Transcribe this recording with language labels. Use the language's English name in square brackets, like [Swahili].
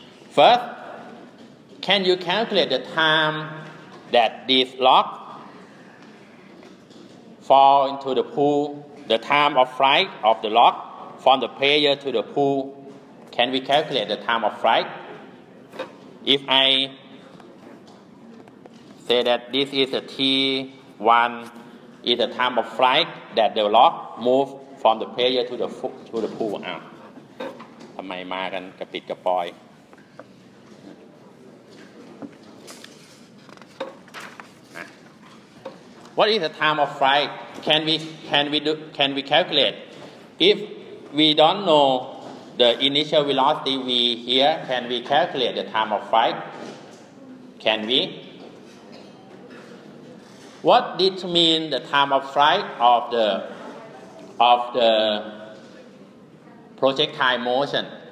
[English] First, can you calculate the time that this log fall into the pool, the time of flight of the log from the player to the pool? OK? Can we calculate the time of flight? If I say that this is a T1, is the time of flight that the log move from the player to the pool. [Thai] ทำไมมากันกระปิดกระปอย [English] What is the time of flight? Can we calculate? If we don't know the initial velocity v here, can we calculate the time of flight? Can we? What determine the time of flight of the projectile motion?